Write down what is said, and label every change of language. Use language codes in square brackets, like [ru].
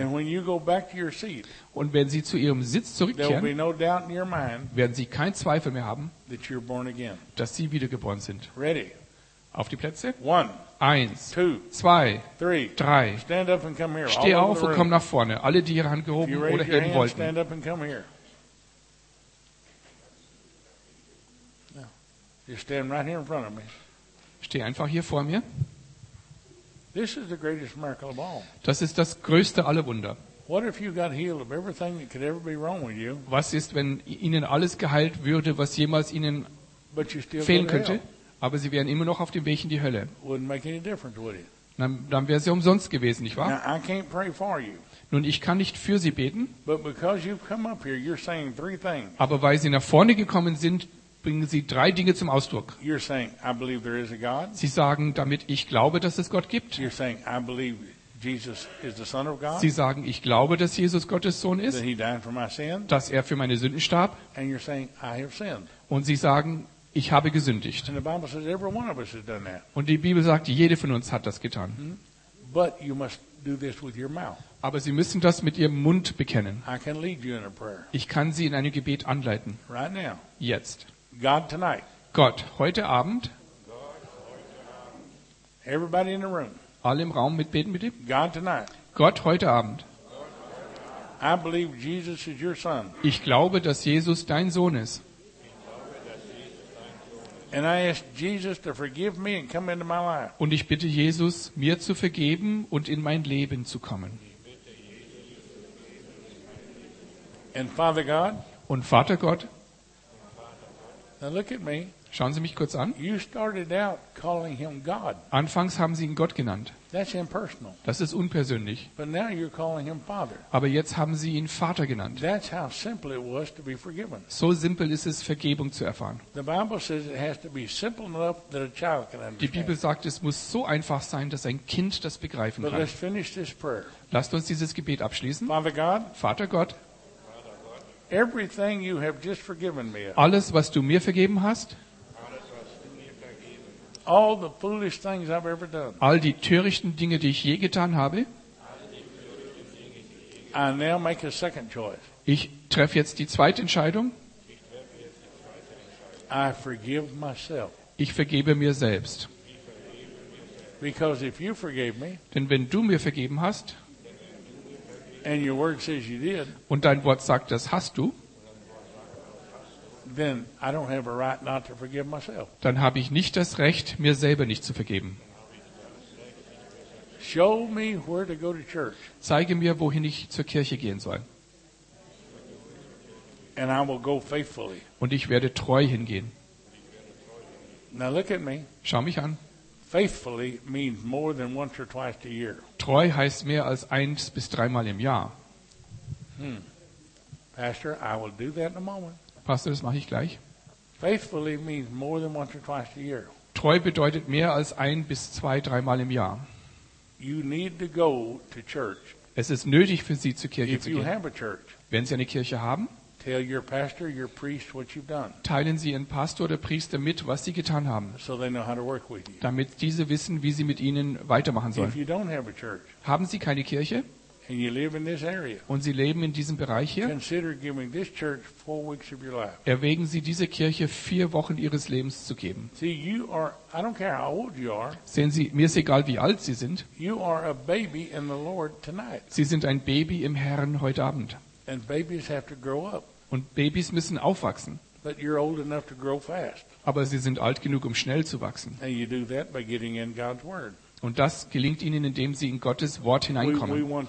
[de] Und wenn Sie zu Ihrem Sitz zurückkehren, werden Sie keinen Zweifel mehr haben, dass Sie wiedergeboren sind. Auf die Plätze. 1, 2, 3. Steh auf und komm nach vorne. Alle, die Ihre Hand gehoben oder heben wollten. [en] Stand up and come here. You stand right here in front of me. [de] Steh einfach hier vor mir. [en] This is the greatest miracle of all. [de] Das ist das größte aller Wunder. [en] What if you got healed of everything that could ever be wrong with you? [de] Was ist, wenn Ihnen alles geheilt würde, was jemals Ihnen fehlen könnte? Aber Sie wären immer noch auf dem Weg in die Hölle. [en] Wouldn't make any difference, would it? [de] Dann wäre es ja umsonst gewesen, nicht wahr? [en] Now, I can't pray for you. [de] Nun, ich kann nicht für Sie beten. [en] But because you've come up here, you're saying three things. [de] Aber weil Sie nach vorne gekommen sind, bringen Sie drei Dinge zum Ausdruck. [en] You're saying, I believe there is a God. [de] Sie sagen damit, ich glaube, dass es Gott gibt. [en] You're saying, I believe Jesus is the Son of God. [de] Sie sagen, ich glaube, dass Jesus Gottes Sohn ist. [en] That he died for my sins. [de] Dass er für meine Sünden starb. [en] And you're saying, I have sinned. [de] Und Sie sagen, ich habe gesündigt. [en] And the Bible says, every one of us has done that. [de] Und die Bibel sagt, jede von uns hat das getan. [en] But you must do this with your mouth. [de] Aber Sie müssen das mit Ihrem Mund bekennen. [en] I can lead you in a prayer. [de] Ich kann Sie in einem Gebet anleiten. [en] Right now. [de] Jetzt. [en] God tonight. [de] Gott, heute Abend. [en] Everybody in the room. [de] Alle im Raum mitbeten bitte. [en] God tonight. [de] Gott heute Abend. [en] I believe Jesus is your son. [de] Ich glaube, dass Jesus dein Sohn ist. [en] And I ask Jesus to forgive me and come into my life. [de] Und ich bitte Jesus, mir zu vergeben und in mein Leben zu kommen. [en] And Father God. [de] Und Vater Gott. [en] Now look at me. [de] Schauen Sie mich kurz an. [en] You started out calling him God. [de] Anfangs haben Sie ihn Gott genannt. [en] That's impersonal. [de] Das ist unpersönlich. [en] But now you're calling him Father. [de] Aber jetzt haben Sie ihn Vater genannt. [en] That's how simple it was to be forgiven. [de] So simpel ist es, Vergebung zu erfahren. [en] The Bible says it has to be simple enough that a child can understand. [de] Die Bibel sagt, es muss so einfach sein, dass ein Kind das begreifen [en] but [de] kann. [en] Let's finish this prayer. [de] Lasst uns dieses Gebet abschließen. [en] Father God. [de] Vater Gott. [en] Everything you have just forgiven me. [de] Alles, was du mir vergeben hast. [en] All the foolish things I've ever done. [de] All die törichten Dinge, die ich je getan habe. [en] I now make a second choice. [de] Ich treffe jetzt die zweite Entscheidung. [en] I forgive myself. [de] Ich vergebe mir selbst. [en] Because if you forgave me, [de] denn wenn du mir vergeben hast, [en] and your word says you did, [de] und dein Wort sagt, das hast du, [en] then I don't have a right not to forgive myself. [de] Dann habe ich nicht das Recht, mir selber nicht zu vergeben. [en] Show me where to go to church. [de] Zeige mir, wohin ich zur Kirche gehen soll. [en] And I will go faithfully. [de] Und ich werde treu hingehen. [en] Now look at me. [de] Schau mich an. [en] Faithfully means more than once or twice a year. [de] Treu heißt mehr als eins bis dreimal im Jahr. [en] Pastor, I will do that in a moment. [de] Pastor, das mache ich gleich. [en] Faithfully means more than once or twice a year. [de] Treu bedeutet mehr als ein bis zwei, dreimal im Jahr. [en] You need to go to church. [de] Es ist nötig für Sie, zur Kirche [en] if [de] zu gehen. [en] You have a church, [de] wenn Sie eine Kirche haben, [en] tell your pastor, your priest what you've done. [de] Teilen Sie Ihren Pastor oder Priester mit, was Sie getan haben, [en] so they know how to work with you. [de] Damit diese wissen, wie sie mit Ihnen weitermachen sollen. [en] If you don't have a church, [de] haben Sie keine Kirche? [en] And you live in this area, [de] und Sie leben in diesem Bereich hier, [en] consider giving this church 4 weeks of your life. [de] Erwägen Sie, diese Kirche 4 Wochen Ihres Lebens zu geben. [en] See, you are, I don't care how old you are, [de] sehen Sie, mir ist egal, wie alt Sie sind. [en] You are a baby in the Lord tonight. [de] Sie sind ein Baby im Herrn heute Abend. [en] And babies have to grow up. [de] Und Babys müssen aufwachsen. [en] But you're old enough to grow fast. [de] Aber Sie sind alt genug, um schnell zu wachsen. [en] And you do that by getting in God's word. [de] Und das gelingt Ihnen, indem Sie in Gottes Wort hineinkommen.